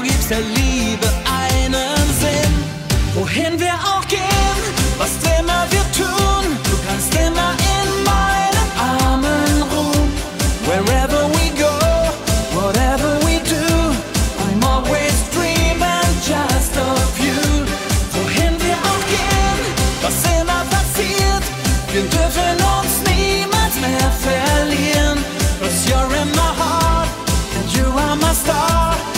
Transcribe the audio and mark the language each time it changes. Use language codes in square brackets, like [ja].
[de] Der Liebe einen Sinn. Wohin wir auch gehen, was immer wir tun, du kannst immer in meinen Armen ruhen. [en] Wherever we go, whatever we do, I'm always dreaming just of you. [de] Wohin wir auch gehen, was immer passiert, wir dürfen uns niemals mehr verlieren. [en] Cause you're in my heart and you are my star.